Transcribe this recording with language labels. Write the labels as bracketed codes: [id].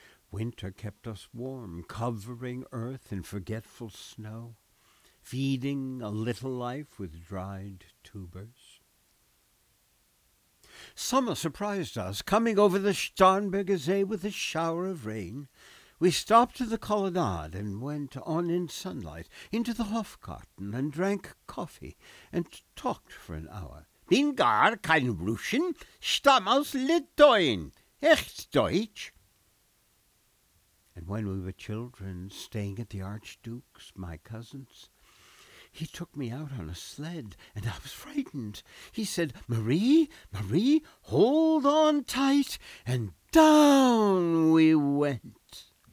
[en] Winter kept us warm, covering earth in forgetful snow, feeding a little life with dried tubers. Summer surprised us, coming over the Starnberger See with a shower of rain. We stopped at the colonnade and went on in sunlight into the Hofgarten and drank coffee and talked for an hour. [de] Bin gar kein Russian, stamm aus Litauen, echt Deutsch. [en] And when we were children, staying at the Archduke's, my cousin's, he took me out on a sled, and I was frightened. He said, Marie, Marie, hold on tight, and down we went.